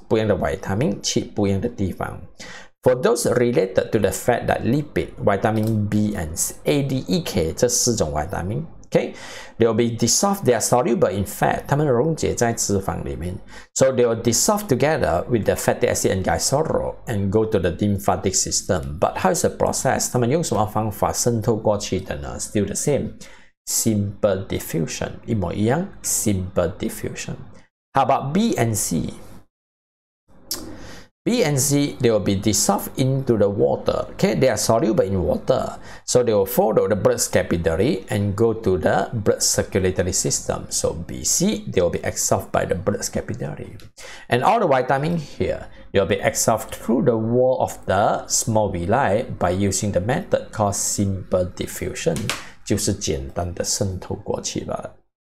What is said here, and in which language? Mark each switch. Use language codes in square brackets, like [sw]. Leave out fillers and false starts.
[zh] 不一样的 [en] vitamin, [zh] 去不一样的地方。 [en] For those related to the fat that lipid, vitamin B and A, D, E, K, [zh] 这四种 [en] vitamin, okay? They'll be dissolved, they are soluble in fat, [zh] 它们溶解在脂肪里面。 [en] So they'll dissolve together with the fatty acid and glycerol and go to the lymphatic system. But how is the process? [zh] 它们用什么方法渗透过去的呢? [en] Still the same. Simple diffusion, [zh] 一模一样, [en] simple diffusion. How about B and C? B and C, they will be dissolved into the water. Okay, they are soluble in water. So they will follow the blood capillary and go to the blood circulatory system. So B, C, they will be absorbed by the blood capillary. And all the vitamin here, they will be absorbed through the wall of the small villi by using the method called simple diffusion. [zh] 就是简单的渗透过去了。